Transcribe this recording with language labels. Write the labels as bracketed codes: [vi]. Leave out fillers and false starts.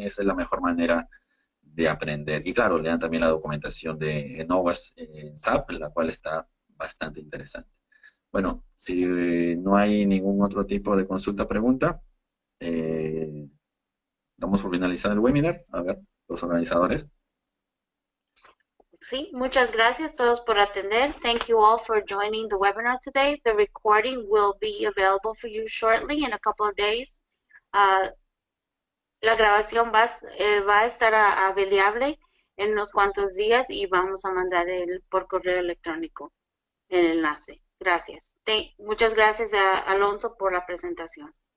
[es] Esa es la mejor manera de aprender. Y claro, lean también la documentación de OWASP en SAP, la cual está bastante interesante. Bueno, si no hay ningún otro tipo de consulta o pregunta, damos por finalizado el webinar. A ver, los organizadores. Sí, muchas gracias a todos por atender. [en] Thank you all for joining the webinar today. The recording will be available for you shortly in a couple of days. [es] La grabación va a estar available en unos cuantos días y vamos a mandar el por correo electrónico el enlace. Gracias. Muchas gracias a Alonso por la presentación.